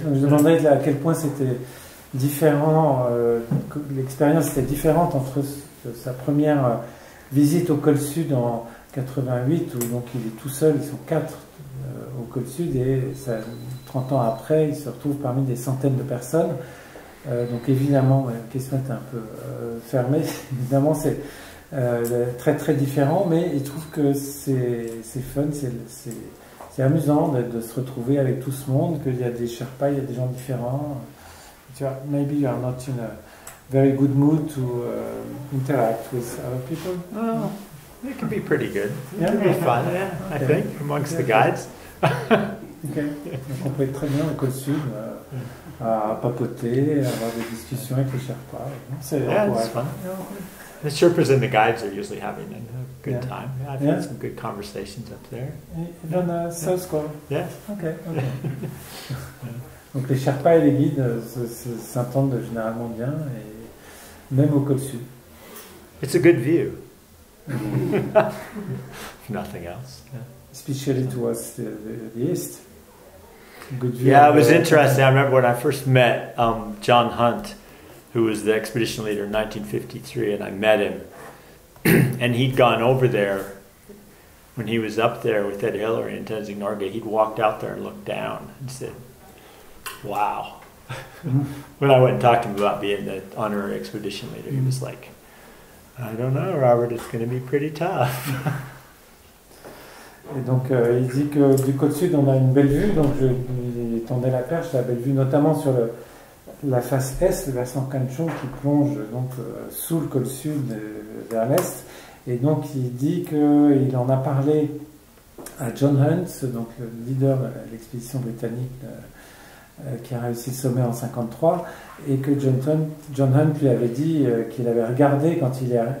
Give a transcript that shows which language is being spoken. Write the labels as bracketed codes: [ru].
[fr] Donc je demandais à quel point c'était différent, l'expérience était différente entre sa première visite au Col Sud en 88, où donc il est tout seul, ils sont quatre au Col Sud, et ça, 30 ans après, il se retrouve parmi des centaines de personnes. Donc évidemment, la question était un peu fermée, évidemment c'est très très différent, mais il trouve que c'est fun, c'est amusant de se retrouver avec tout ce monde, qu'il y a des Sherpas, il y a des gens différents. [en] Maybe you are not in a very good mood to interact with other people. Well, it can be pretty good. Yeah. It can be fun, okay. I think, amongst the guides. Okay. [fr] Donc on peut être très bien au Col Sud, à papoter, à avoir des discussions avec les Sherpas. C'est fun. [en] The Sherpas and the guides are usually having good yeah. time. Yeah, I've yeah. had some good conversations up there. [fr] Et dans yeah. la South Square. [en] Yes. Okay. Yeah. [fr] Donc les Sherpas et les guides s'entendent généralement bien, et même au Col Sud. [en] It's a good view. If nothing else. Yeah. Especially so. Towards the east. Good view. Yeah, it was interesting. I remember when I first met John Hunt, who was the expedition leader in 1953, and I met him. And he'd gone over there when he was up there with Ed Hillary and Tenzin Norgay. He'd walked out there and looked down and said, wow. When I went and talked to him about being the honorary expedition leader, he was like, I don't know, Robert, it's going to be pretty tough. [fr] Et donc, il dit que du côté sud, on a une belle vue. Donc, je tendais la perche, la belle vue, notamment sur le... la face est, le versant Kanchong, qui plonge donc sous le col sud vers l'est. Et donc il dit qu'il en a parlé à John Hunt, donc le leader de l'expédition britannique qui a réussi le sommet en 1953, et que John Hunt lui avait dit qu'il avait regardé quand il est arrivé.